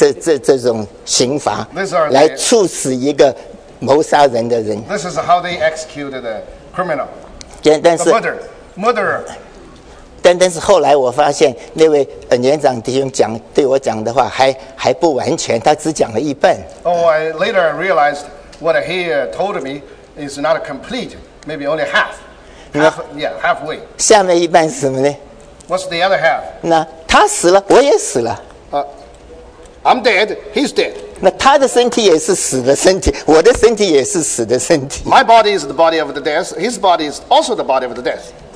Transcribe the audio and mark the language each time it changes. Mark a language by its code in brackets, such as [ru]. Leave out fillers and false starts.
[zh] 那这个是他们那个时候的这种刑罚 来处死一个谋杀人的人。 [en] This is how they executed the criminal. The murderer. [zh] 但是后来我发现那位年长弟兄对我讲的话还不完全，他只讲了一半。 [en] Oh, later I realized what he told me is not complete, maybe only half. Halfway. [zh] 下面一半是什么呢？ [en] What's the other half? [zh] 那他死了，我也死了。 [en] I'm dead. He's dead. [zh] 那他的身体也是死的身体，我的身体也是死的身体。My [en] body is the body of the death. His body is also the body of the death.